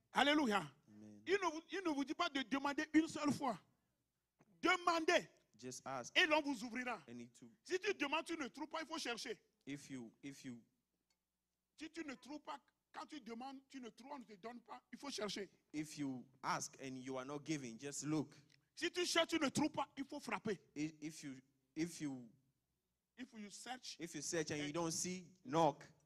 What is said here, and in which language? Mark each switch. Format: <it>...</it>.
<fr>Alléluia. Il ne vous dit pas de demander une seule fois. Demandez.</fr> <en>Just ask.</en> <fr>Et l'on vous ouvrira.</fr> <en>And it will...</en> <fr>Si tu demandes, tu ne trouves pas, il faut chercher.</fr> <en>If you...</en> <fr>Si tu ne trouves pas, quand tu demandes, tu ne trouves, on ne te donne pas, il faut chercher.</fr> <en>If you ask and you are not giving, just look.</en> <fr>Si tu cherches, tu ne trouves pas, il faut frapper.</fr> <en>If you search and you don't see, knock.</en>